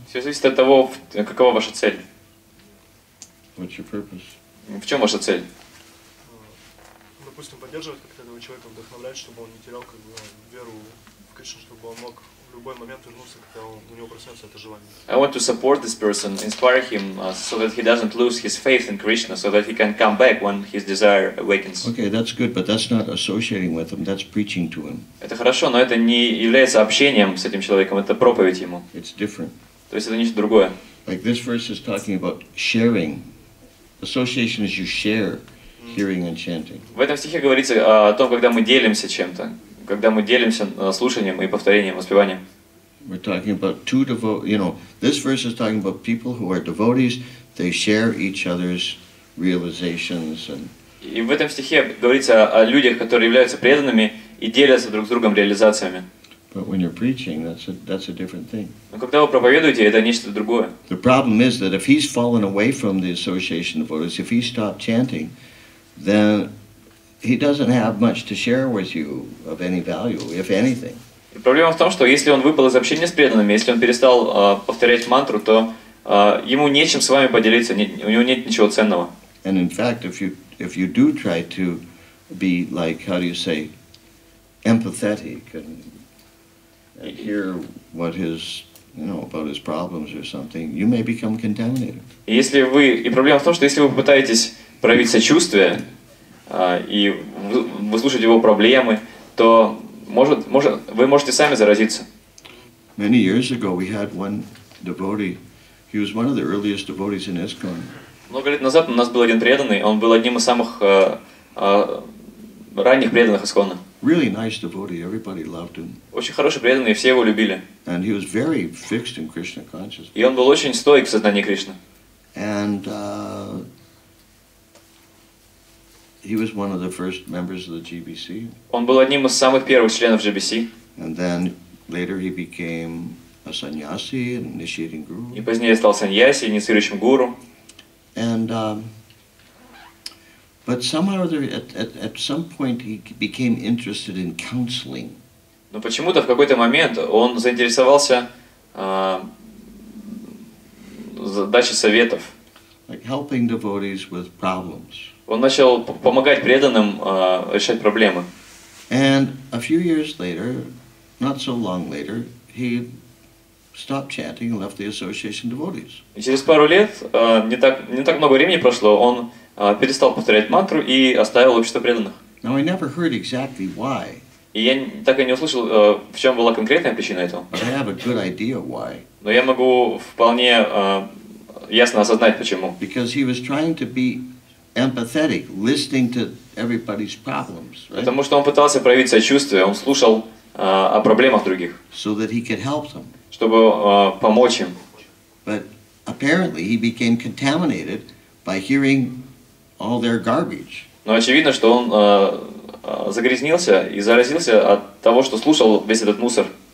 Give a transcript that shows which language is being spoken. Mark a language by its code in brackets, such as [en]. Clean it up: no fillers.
[ru] Все зависит от того, какова ваша цель. [en] What's your purpose? [ru] В чем ваша цель? Допустим, поддерживать как-то этого человека, вдохновлять, чтобы он не терял как бы веру в Кришну, чтобы он мог в любой момент вернуться, когда у него проснется это желание. [en] I want to support this person, inspire him, so that he doesn't lose his faith in Krishna, so that he can come back when his desire awakens. Okay, that's good, but that's not associating with him, that's preaching to him. [ru] Это хорошо, но это не является общением с этим человеком, это проповедь ему. [en] It's different. [ru] То есть это нечто другое. [en] Like this verse is talking about sharing. Association is you share. Hearing and chanting. [ru] В этом стихе говорится о том, когда мы делимся чем-то, когда мы делимся слушанием и повторением, воспеванием. [en] We're talking about two devotees, you know, this verse is talking about people who are devotees, they share each other's realizations and... [ru] И в этом стихе говорится о людях, которые являются преданными и делятся друг с другом реализациями. [en] But when you're preaching, that's a different thing. [ru] Но когда вы проповедуете, это нечто другое. [en] The problem is that if he's fallen away from the association of devotees, if he stopped chanting, then he doesn't have much to share with you of any value, if anything. [ru] Проблема в том, что если он выпал из общения с преданными, если он перестал повторять мантру, то ему нечем с вами поделиться, у него нет ничего ценного. [en] And in fact, if you do try to be like, how do you say, empathetic and hear what his, you know, about his problems or something, you may become contaminated. [ru] И проблема в том, что если вы попытаетесь проявить сочувствие и выслушать его проблемы, то вы можете сами заразиться. [en] Many years ago we had one devotee. He was one of the earliest devotees in ISKCON. [ru] Много лет назад у нас был один преданный. Он был одним из самых ранних преданных ISKCON. [en] Really nice devotee. Everybody loved him. [ru] Очень хороший преданный. Все его любили. [en] And he was very fixed in Krishna consciousness. [ru] И он был очень стоик в сознании Кришны. [en] And he was one of the first members of the GBC. [ru] Он был одним из самых первых членов GBC. [en] And then later he became a sannyasi, an initiating guru. [ru] И позднее стал саньяси, инициирующим гуру. [en] And but somehow or other, at some point he became interested in counseling. [ru] Но почему-то в какой-то момент он заинтересовался дачей советов. [en] Like helping devotees with problems. [ru] Он начал помогать преданным решать проблемы. [en] And a few years later, not so long later, he stopped chanting and left the association devotees. [ru] И через пару лет, не так много времени прошло, он перестал повторять мантру и оставил общество преданных. [en] Now I never heard exactly why. [ru] И я так и не услышал, в чем была конкретная причина этого. [en] But I have a good idea why. [ru] Но я могу вполне ясно осознать, почему. [en] Because he was trying to be empathetic, listening to everybody's problems, right? [ru] Потому что он пытался проявить сочувствие, он слушал о проблемах других. [en] So that he could help them. [ru] Чтобы помочь им. [en] But apparently he became contaminated by hearing all their garbage. [ru] Но очевидно, что он загрязнился и заразился от того, что слушал весь этот мусор.